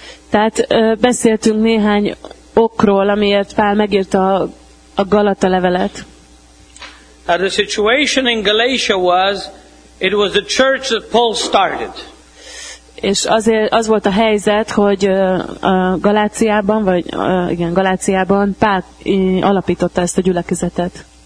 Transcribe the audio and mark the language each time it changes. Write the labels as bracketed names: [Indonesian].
[Hungarian] Tehát beszéltünk néhány okról, amiért Pál megírta a Galata levelet. [English] Now the situation in Galatia was, it was a church that Paul started. [Hungarian] És azért az volt a helyzet, hogy Galáciában, vagy igen, Galáciában Pál alapította ezt a gyülekezetet.